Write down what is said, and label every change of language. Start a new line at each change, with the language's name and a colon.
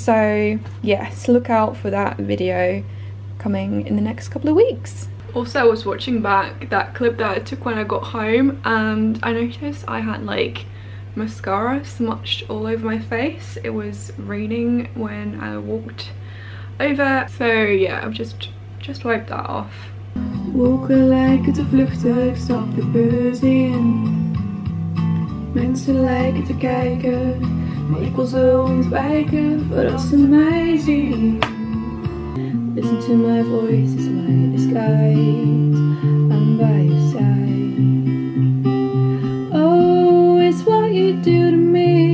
English: So yes, look out for that video coming in the next couple of weeks. Also, I was watching back that clip that I took when I got home, and I noticed I had like mascara smudged all over my face. It was raining when I walked over. So yeah, I've just wiped that off.
Dutch: Wolken lijken te vluchten, ik stap de beurs in. Mensen lijken te kijken, maar ik wil ze ontwijken, verrassen mij zien.
English: Listen to my voice, it's my disguise, I'm by your side. Oh, it's what you do to me.